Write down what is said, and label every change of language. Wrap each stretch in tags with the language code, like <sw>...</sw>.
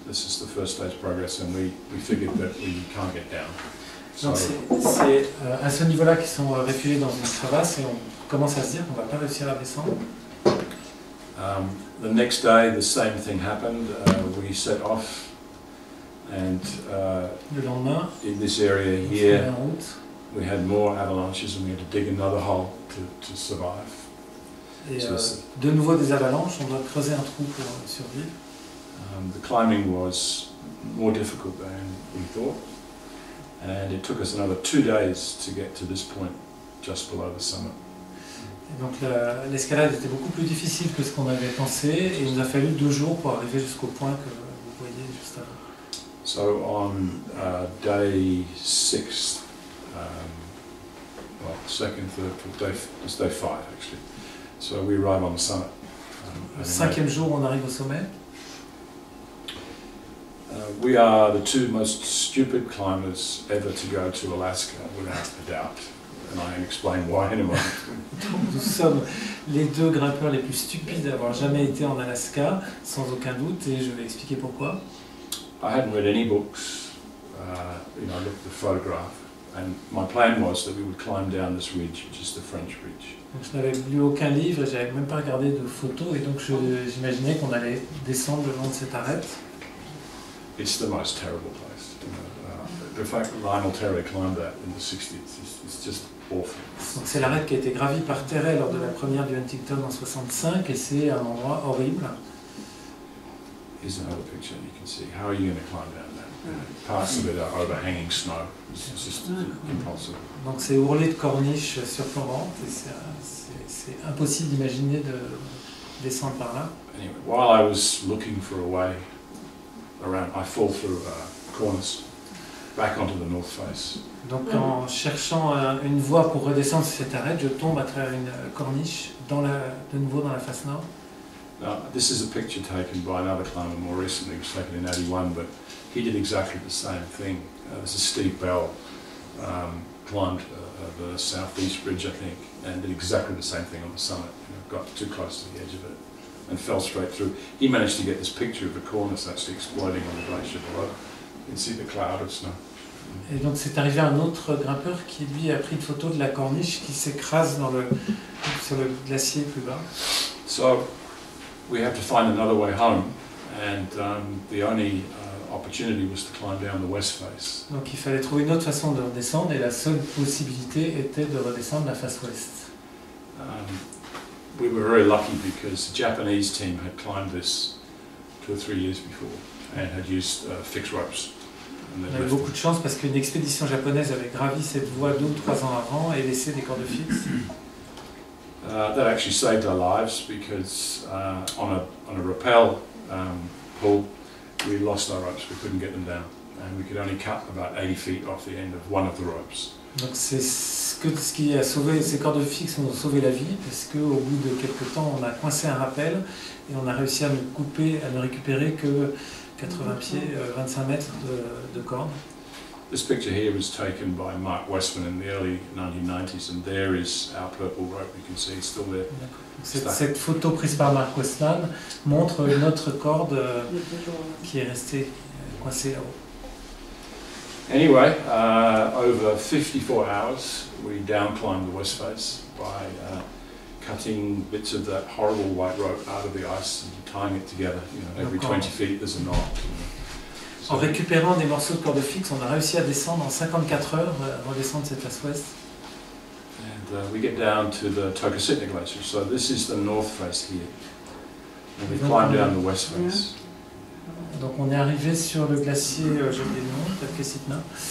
<en>This is the first stage progress, and we figured that we can't get down.</en> <fr>Donc c'est à ce niveau-là qu'ils sont réfugiés dans une crevasse et on commence à se dire qu'on va pas réussir à descendre.</fr> <en>The next day, the same thing happened. We set off. And</en> <fr>le lendemain,</fr> <en>in this area here, we had more avalanches and we had to dig another hole to survive.</en> <fr>De nouveau des avalanches, on doit creuser un trou pour survivre.</fr> <en>The climbing was more difficult than we thought. And it took us another 2 days to get to this point, just below the summit.</en> <fr>Et donc l'escalade était beaucoup plus difficile que ce qu'on avait pensé et il nous a fallu 2 jours pour arriver jusqu'au point que vous voyez juste avant.</fr> <en>So on day 6, well, second, third, fourth, day, it's day 5 actually. So we arrive on the summit.</en> <fr>Cinquième jour, on arrive au sommet.</fr> <en>We are the 2 most stupid climbers ever to go to Alaska, without a doubt. And I explain why in a moment.</en> <fr>Nous sommes les 2 grimpeurs les plus stupides d'avoir jamais été en Alaska, sans aucun doute, et je vais expliquer pourquoi.</fr> <en>I hadn't read any books you know, I looked at the photograph, and my plan was that we would climb down this ridge, which is the French Ridge.</en> <fr>Donc je n'avais lu aucun livre, je n'avais même pas regardé de photos, et donc j'imaginais qu'on allait descendre le long de cette arête.</fr> <en>It's the most terrible place. You know. The fact that Lionel Terry climbed that in the 60s is just awful.</en> <fr>Donc c'est l'arête qui a été gravie par Terry lors de la première du Huntington en 65, et c'est un endroit horrible.</fr> <en>Here's another picture you can see. How are you going to climb down that? Parts of it are overhanging snow. It's just impossible.</en> <fr>Donc c'est ourlé de corniches surplombantes, et c'est impossible d'imaginer de descendre par là.</fr> <en>Anyway, while I was looking for a way around, I fall through a cornice. Back onto the north face.</en> <fr>Donc en cherchant une voie pour redescendre cette arête, je tombe à travers une corniche de nouveau dans la face nord.</fr> <en>Now, this is a picture taken by another climber more recently. It was taken in 81, but he did exactly the same thing. This is Steve Bell, climbed the southeast ridge, I think, and did exactly the same thing on the summit. You know, got too close to the edge of it and fell straight through. He managed to get this picture of the cornice actually exploding on the glacier below. You see the cloud of snow.</en> <fr>Et donc c'est arrivé à un autre grimpeur qui lui a pris une photo de la corniche qui s'écrase sur le glacier plus bas.</fr> <en>So we have to find another way home, and the only opportunity was to climb down the west face.</en> <fr>Donc il fallait trouver une autre façon de redescendre, et la seule possibilité était de redescendre la face ouest.</fr> <en>We were very lucky because the Japanese team had climbed this 2 or 3 years before. And had used fixed ropes.</en> <fr>On avait beaucoup de chance parce qu'une expédition japonaise avait gravi cette voie 2 ou 3 ans avant et laissé des cordes fixes.</fr> <en>That actually saved our lives because on a rappel pull, we lost our ropes. We couldn't get them down, and we could only cut about 80 feet off the end of one of the ropes.</en> <fr>Donc c'est ce qui a sauvé, ces cordes fixes ont sauvé la vie, parce qu'au bout de quelques temps, on a coincé un rappel et on a réussi à ne récupérer que 80 pieds, 25 mètres de corde.</fr> <en>This picture here was taken by Mark Westman in the early 1990s, and there is our purple rope. You can see it's still there.</en> <fr>Cette photo prise par Mark Westman montre notre corde qui est restée coincée là-haut.</fr> <en>Anyway, over 54 hours, we down-climbed the west face by cutting bits of that horrible white rope out of the ice and tying it together. You know, every 20 feet, there's a knot.</en> <fr>En récupérant des morceaux de corde fixe, on a réussi à descendre en 54 heures, redescendre cette face ouest.</fr> <en>And we get down to the Tokositna Glacier. So this is the north face here. And we climb down the west face. Yeah.</en> <fr>Donc on est arrivé sur le glacier, je dis non, Tokositna.</fr>